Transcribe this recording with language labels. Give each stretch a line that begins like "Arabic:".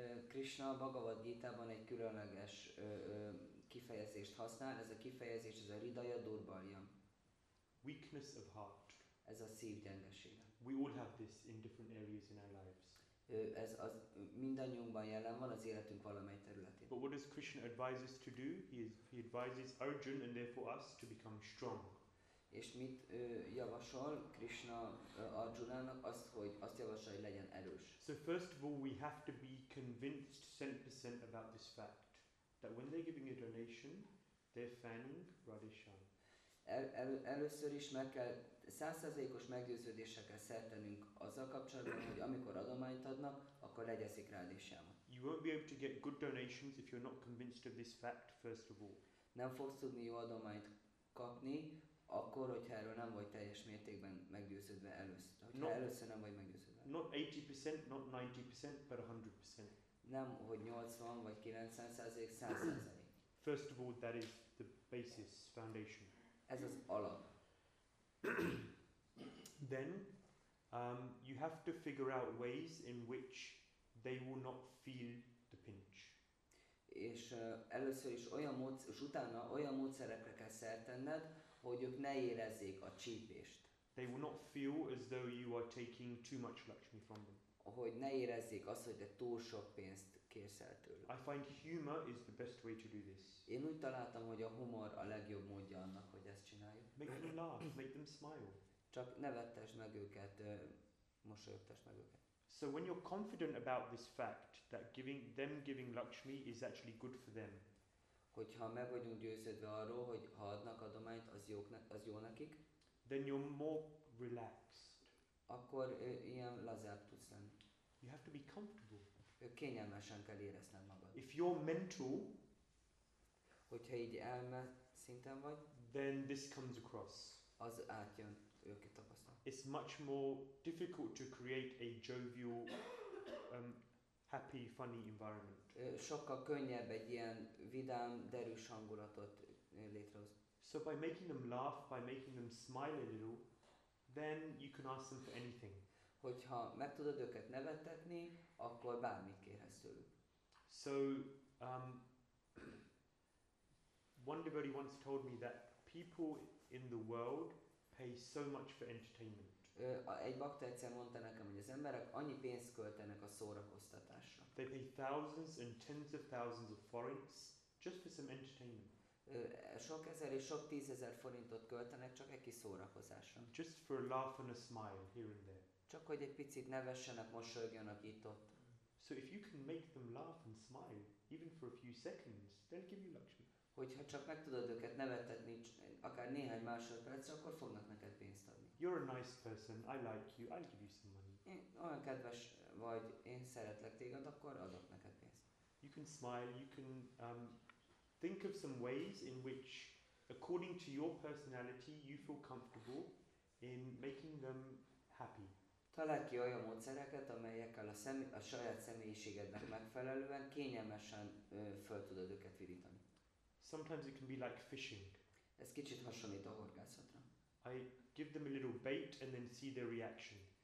Hungarian: Krishna a Bhagavad Gita-ban egy különleges kifejezést használ. Ez a kifejezés, ez a Hridaya Durbalyam.
English: Weakness of heart.
Hungarian: Ez a szív gyengesége.
English: We all have this in different areas in our lives.
Hungarian: Ez az mindannyiunkban jelen van, az életünk valamely területén.
English: But what does Krishna advise us to do? He advises Arjuna and therefore us to become strong.
Hungarian: És mit javasol Krishna Arjunának? Azt javasol, hogy legyen erős.
English: So first of all, we have to be convinced 100% about this fact, that when they're giving a donation, they're fanning Radhe Shyam.
Hungarian: Először is meg kell, 100%-os meggyőződéssel kell szertenünk azzal kapcsolatban, hogy amikor adományt adnak, akkor legyeszik Radhe Shyamot.
English: You won't be able to get good donations if you're not convinced of this fact, first of all.
Hungarian: Nem fogsz tudni jó adományt kapni, akkor, hogyha erről nem vagy teljes mértékben meggyőződve először.
English: Not 80%, not 90%, but 100%.
Hungarian: Nem, hogy 80 vagy 90%, 100%.
English: First of all, that is the basis, foundation.
Hungarian: Ez az alap.
English: Then, you have to figure out ways in which they will not feel the pinch.
Hungarian: És először is olyan módszer, és utána olyan módszerekre kell szertenned, hogy ők ne érezzék a csípést.
English: They will not feel as though you are taking too much Lakshmi from them.
Hungarian: Hogy ne érezzék azt, hogy te túl sok pénzt kérsz el tőlük.
English: I find humor is the best way to do this.
Hungarian: Én úgy találtam, hogy a humor a legjobb módja annak, hogy ezt csináljuk.
English: Make them laugh, make them smile.
Hungarian: Csak nevettesd meg őket, mosolyogtasd meg őket.
English: So when you're confident about this fact, that giving Lakshmi is actually good for them,
Hungarian: hogyha meg vagyunk győződve arról, hogy ha adnak adományt, az jó nekik,
English: then you're more relaxed.
Hungarian: Akkor ilyen lazább tudsz lenni.
English: You have to be comfortable.
Hungarian: Kényelmesen kell érezned magad.
English: If you're mental,
Hungarian: hogyha így elme szinten vagy,
English: then this comes across.
Hungarian: Az átjön, ők itt tapasztalnak.
English: It's much more difficult to create a jovial, happy, funny environment.
Hungarian: Sokkal könnyebb egy ilyen vidám, derűs hangulatot létrehozni.
English: So by making them laugh, by making them smile a little, then you can ask them for anything.
Hungarian: Hogyha meg tudod őket nevettetni, akkor bármit kérhetsz tőlük.
English: So, one devotee once told me that people in the world pay so much for entertainment.
Hungarian: Egy bakta egyszer mondta nekem, hogy az emberek annyi pénzt költenek a szórakoztatásra.
English: They pay thousands and tens of thousands of forints just for some entertainment.
Hungarian: Sok ezer és sok tízezer forintot költenek csak egy kis szórakozásra.
English: Just for a laugh and a smile here and there.
Hungarian: Csak hogy egy picit nevessenek, mosolygjanak itt-ott.
English: So if you can make them laugh and smile, even for a few seconds, they'll give you Lakshmi.
Hungarian: Hogyha csak meg tudod őket nevetetni, akár néhány másodperc, akkor fognak neked pénzt adni.
English: You're a nice person, I like you, I'll give you some money.
Hungarian: Olyan kedves vagy, én szeretlek téged, akkor adok neked pénzt.
English: You can smile, you can think of some ways in which, according to your personality, you feel comfortable in making them happy.
Hungarian: Találj ki olyan módszereket, amelyekkel a saját személyiségednek megfelelően kényelmesen föl tudod őket virítani.
English: Sometimes it can be like fishing.
Hungarian: Ez kicsit hasonlít a horgászatra.
English: I give them a little bait and then see their reaction.